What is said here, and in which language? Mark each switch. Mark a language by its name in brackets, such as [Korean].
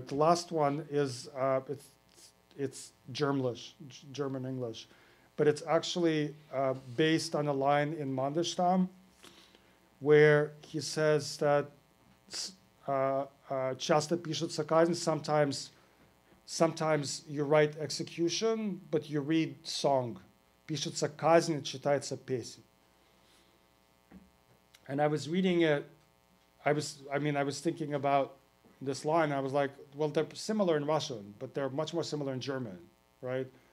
[English] The last one is, it's germless, German English, but it's actually based on a line in Mandelstam where he says that [Russian] часто пишется казнь, [English] sometimes you write execution, but you read song. [Russian] Пишется казнь, читается песня. [English] And I was reading it, I was thinking about this line, I was like, well, they're similar in Russian, but they're much more similar in German, right?